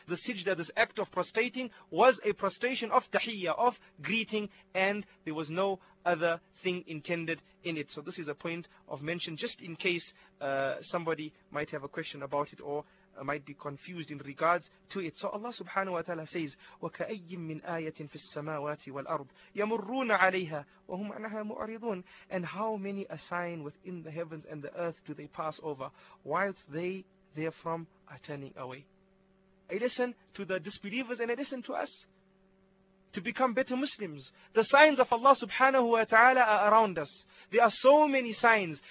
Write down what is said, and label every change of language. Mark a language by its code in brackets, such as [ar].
[en] The sijda, this act of prostrating, was a prostration of tahiyya, of greeting, and there was no other thing intended in it. So this is a point of mention, just in case somebody might have a question about it or might be confused in regards to it. So Allah subhanahu wa ta'ala says, [ar] وَكَأَيِّمْ مِنْ آيَةٍ فِي السَّمَاوَاتِ وَالْأَرْضِ يَمُرُّونَ عَلَيْهَا وَهُمْ عَنَهَا مُؤْرِضُونَ. [en] And how many a sign within the heavens and the earth do they pass over, whilst they therefrom are turning away? I listen to the disbelievers and I listen to us to become better Muslims. The signs of Allah subhanahu wa ta'ala are around us. There are so many signs.